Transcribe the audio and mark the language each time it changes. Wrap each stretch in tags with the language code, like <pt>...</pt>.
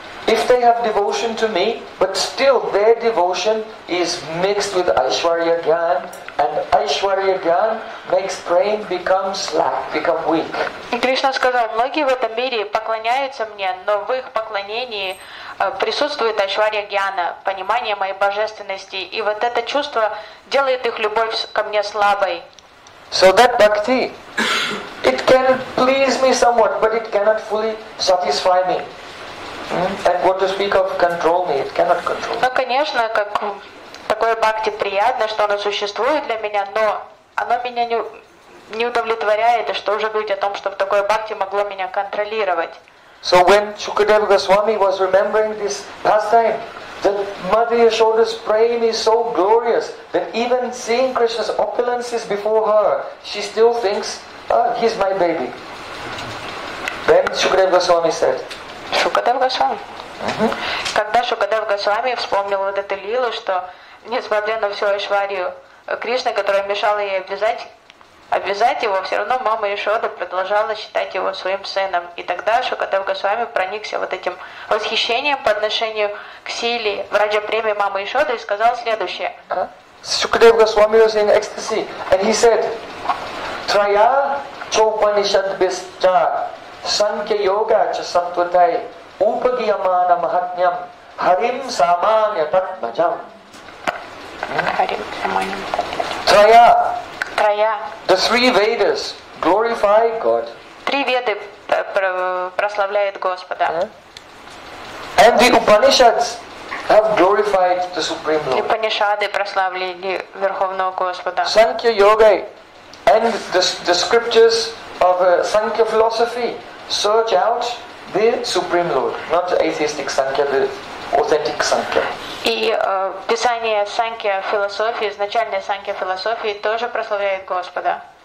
<en>If they have devotion to me, but still their devotion is mixed with Aishwarya Gyan, and Aishwarya Gyan makes praying become slack, become weak.</en> <ru>Кришна сказал, многие в этом мире поклоняются мне, но в их поклонении присутствует Айшварья Гьяна, понимание моей божественности, и вот это чувство делает их любовь ко мне слабой.</ru> <en>So that bhakti, it can please me somewhat, but it cannot fully satisfy me. And what to speak of control me, it cannot control me.</en> <ru>Ну, конечно, как такое бхакти приятно, что оно существует для меня, но оно меня не удовлетворяет, и что уже говорить о том, чтобы такое бхакти могло меня контролировать.</ru> <en>So when Shukadeva Goswami was remembering this pastime, that Mother Yashoda's praying is so glorious that even seeing Krishna's opulences before her, she still thinks, he's my baby. Then Shukadeva Goswami said, Shukadeva Goswami.</en> <ru>Когда Shukadeva Goswami вспомнил вот эту лилу, что несмотря на всю Айшварию Кришны, которая мешала ей обвязать его, все равно мама Яшода продолжала считать его своим сыном. И тогда Шукадев Госвами проникся вот этим восхищением по отношению к силе в раджа-преме мамы Яшоды и сказал следующее.</ru> <sa>Шукадев Госвами</sa> <en>was in ecstasy and he said</en> <sa>Трая чопанишат бисча санке йога ча саттватай упагиямана махатням харим саманя татмаджам харим саманя татмаджам. Трая. Трая.</sa> <en>The three Vedas glorify God.</en> <ru>Три Веды прославляют Господа.</ru> <en>And the Upanishads have glorified the Supreme Lord.</en> <ru>Упанишады прославили Верховного Господа.</ru> <en>Sankhya Yoga and the scriptures of Sankhya philosophy search out the Supreme Lord, not the atheistic Sankhya, the authentic Sankhya.</en> <ru>И писание Санкхья философии, изначальное Санкхья философии тоже прославляет Господа.</ru>